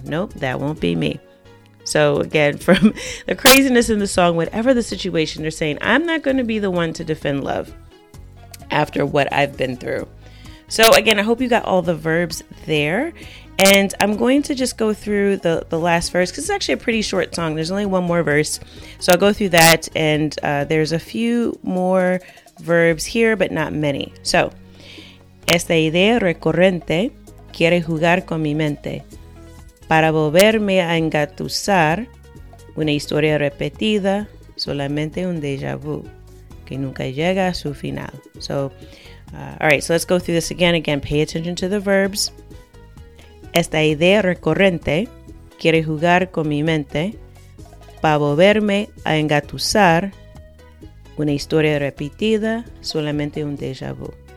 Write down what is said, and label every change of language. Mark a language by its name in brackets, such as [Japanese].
[English] Nope, that won't be me. So again, from the craziness in the song, whatever the situation, they're saying, I'm not going to be the one to defend love after what I've been through. So again, I hope you got all the verbs there. And I'm going to just go through the last verse, because it's actually a pretty short song. There's only one more verse. So I'll go through that. And there's a few more verbs here, but not many. [Spanish] So, esta idea recurrente quiere jugar con mi mente para volverme a engatusar una historia repetida, solamente un déjà vu que nunca llega a su final. [English] So, all right, so let's go through this again. Again, pay attention to the verbs. [Spanish] Esta idea recurrente quiere jugar con mi mente para volverme a engatusar una historia repetida, solamente un déjà vu.